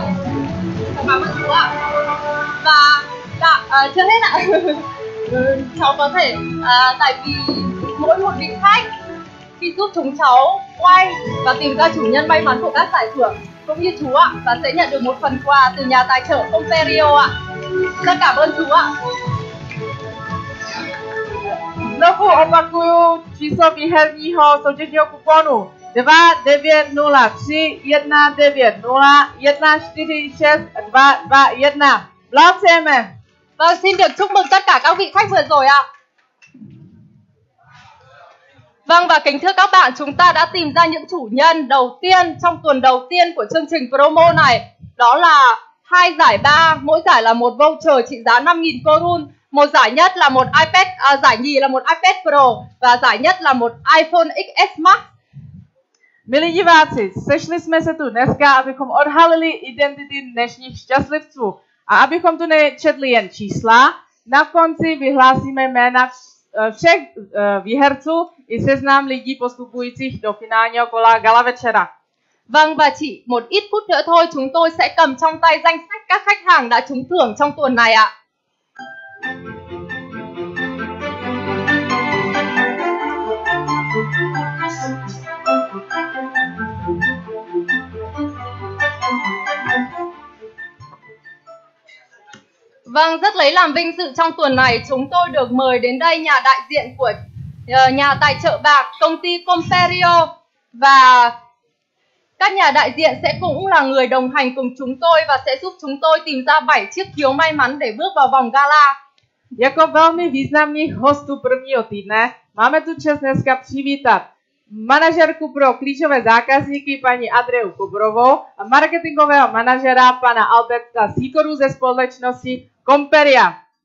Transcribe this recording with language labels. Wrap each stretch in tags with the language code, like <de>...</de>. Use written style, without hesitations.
<vi>Vâng. Cảm ơn chú ạ. Và dạ, chưa hết ạ. Cháu có thể tại vì mỗi một vị khách khi giúp chúng cháu quay và tìm ra chủ nhân may mắn của các giải thưởng cũng như chú ạ, và sẽ nhận được một phần quà từ nhà tài trợ Imperio ạ. Rất cảm ơn chú ạ.</vi> <cs>Znovu opakuju číslo výherního soutěžního kuponu 2903190146221. Blahopřejeme.</cs> <vi>Vâng, xin được chúc mừng tất cả các vị khách vừa rồi ạ. Vâng, và kính thưa các bạn, chúng ta đã tìm ra những chủ nhân đầu tiên trong tuần đầu tiên của chương trình promo này. Đó là hai giải ba, mỗi giải là một voucher trị giá 5.000 korun Một giải nhất là một iPad, giải nhì là một iPad Pro và giải nhất là một iPhone XS Max.</vi> <cs>Milí diváci, sešli jsme se tu dneska, abychom odhalili identity dnešních šťastlivců. A abychom tu nečetli jen čísla, na konci vyhlásíme jména všech výherců i seznam lidí postupujících do finálního kola gala večera.</cs> <vi>Vâng, và chỉ một ít phút nữa thôi, chúng tôi sẽ cầm trong tay danh sách các khách hàng đã trúng thưởng trong tuần này ạ. Vâng, rất lấy làm vinh dự trong tuần này, chúng tôi được mời đến đây nhà đại diện của nhà tài trợ bạc công ty Comperio và các nhà đại diện sẽ cũng là người đồng hành cùng chúng tôi và sẽ giúp chúng tôi tìm ra 7 chiếc phiếu may mắn để bước vào vòng gala.</vi> <cs>Jako velmi významných hostů prvního týdne máme tu čest dneska přivítat manažerku pro klíčové zákazníky paní Andreu Kobrovou a marketingového manažera pana Alberta Sikoru ze společnosti Comperia.</cs>